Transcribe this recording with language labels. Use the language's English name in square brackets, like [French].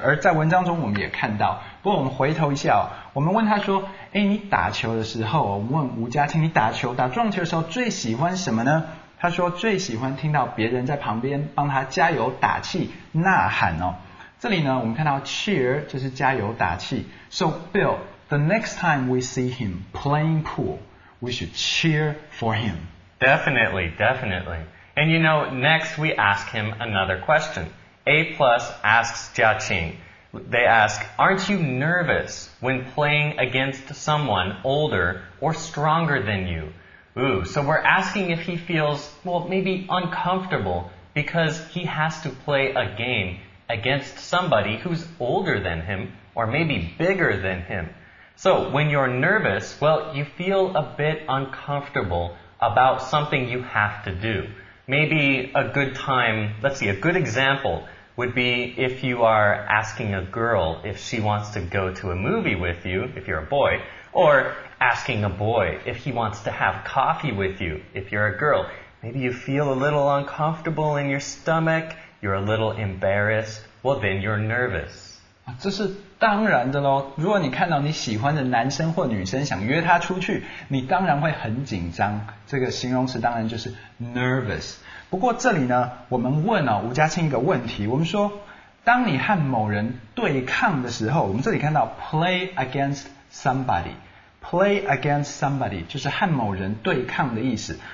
[Chinese] 而在文章中我们也看到不过我们回头一下、哦、我们问他说诶你打球的时候我们问吴嘉庆你打球打撞球的时候最喜欢什么呢他说最喜欢听到别人在旁边帮他加油打气呐喊哦。这里呢我们看到 cheer 就是加油打气。 [English] So Bill, the next time we see him playing pool, we should cheer for him. Definitely, definitely. And you know, next we ask him another question. A plus asks Jia Qing. They ask, aren't you nervous when playing against someone older or stronger than you? Ooh, so we're asking if he feels, well, maybe uncomfortable because he has to play a game against somebody who's older than him or maybe bigger than him. So when you're nervous, well, you feel a bit uncomfortable about something you have to do. Maybe a good time, let's see, a good example would be if you are asking a girl if she wants to go to a movie with you, if you're a boy, or asking a boy if he wants to have coffee with you, if you're a girl. Maybe you feel a little uncomfortable in your stomach, you're a little embarrassed, well then you're nervous. [Chinese] 这是当然的咯，如果你看到你喜欢的男生或女生想约他出去，你当然会很紧张，这个形容词当然就是 nervous。不过这里呢，我们问吴嘉青一个问题，我们说当你和某人对抗的时候，我们这里看到 [English] play against somebody， play against somebody [Chinese] 就是和某人对抗的意思。